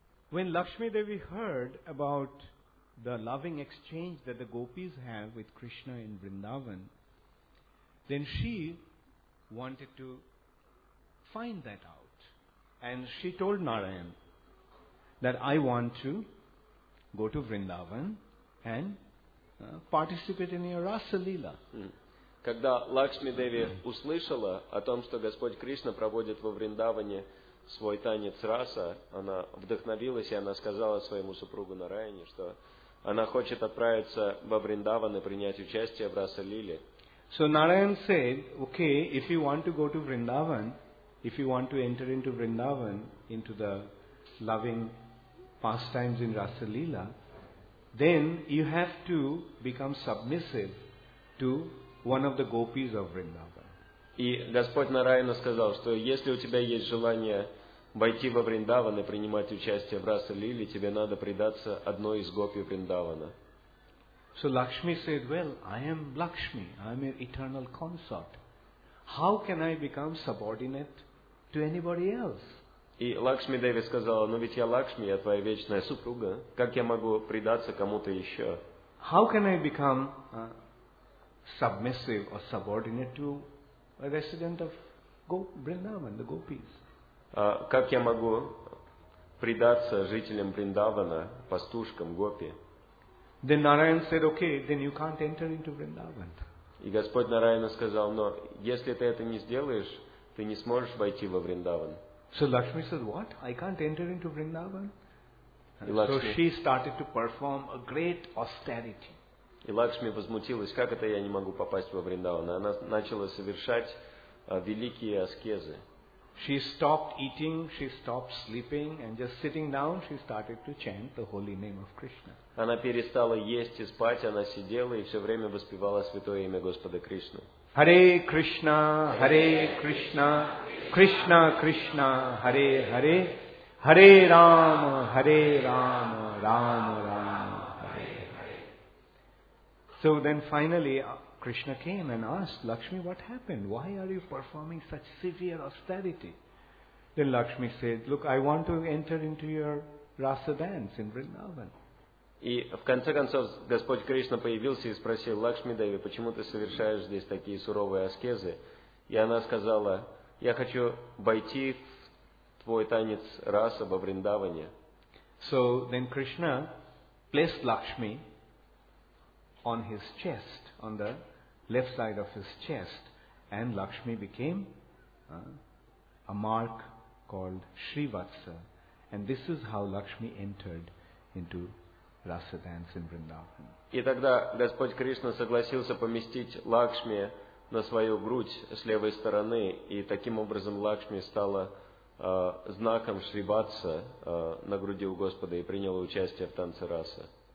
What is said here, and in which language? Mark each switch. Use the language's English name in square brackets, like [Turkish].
[English] When Lakshmi Devi heard about the loving exchange that the gopis have with Krishna in Vrindavan, then she wanted to find that out. And she told Narayan, that I want to go to Vrindavan and participate in your Rasa Lila. [Russian] Когда Лакшми Деви услышала о том, что Господь Кришна проводит во Вриндаване свой танец Раса, она вдохновилась, и она сказала своему супругу Нараяне, что она хочет отправиться во Вриндаван и принять участие в Раса Лиле. [English] So Narayan said, okay, if you want to go to Vrindavan, if you want to enter into Vrindavan, into the loving pastimes in Rasa Lila, then you have to become submissive to one of the gopis of Vrindavan. [Russian] И Господь Нараяна сказал, что если у тебя есть желание войти во Вриндаван и принимать участие в Раса Лиле, тебе надо предаться одной из гопи Вриндавана. [English] So Lakshmi said, well, I am Lakshmi, I am an eternal consort. How can I become subordinate to anybody else? [Russian] И Лакшми Деви сказала, но ведь я Лакшми, я твоя вечная супруга, как я могу предаться кому-то еще? [English] How can I become submissive or subordinate to a resident of Vrindavan, the gopis? [Russian] Как я могу предаться жителям Вриндавана, пастушкам, гопи? [English] Then Narayan said, okay, then you can't enter into Vrindavan. [Russian] И Господь Нараяна сказал, но если ты это не сделаешь, ты не сможешь войти во Вриндаван. [English] So Lakshmi said, what? I can't enter into Vrindavan? Lakshmi, so she started to perform a great austerity. [Russian] И Лакшми возмутилась, как это я не могу попасть во Вриндаван? Она начала совершать великие аскезы. [English] She stopped eating, she stopped sleeping, and just sitting down, she started to chant the holy name of Krishna. [Russian] Она перестала есть и спать, она сидела и все время воспевала святое имя Господа Кришны. [Sanskrit] Hare Krishna, Hare Krishna, Krishna Krishna, Hare Hare, Hare Rama, Hare Rama, Rama Rama, Hare Hare. [English] So then finally, Krishna came and asked, Lakshmi, what happened? Why are you performing such severe austerity? Then Lakshmi said, look, I want to enter into your Rasa dance in Vrindavan. [Russian] И в конце концов Господь Кришна появился и спросил Лакшми Деви, почему ты совершаешь здесь такие суровые аскезы? И она сказала, я хочу войти в твой танец Раса во Вриндаване. [English] So then Krishna placed Lakshmi on his chest, on the left side of his chest, and Lakshmi became a mark called Shri Vatsa, and this is how Lakshmi entered into Rasa dance in Vrindavan. [Russian] И тогда Господь Кришна согласился поместить Лакшми на свою грудь с левой стороны, и таким образом Лакшми стала знаком Шри Ватса на груди у Господа и приняла участие в танце Раса.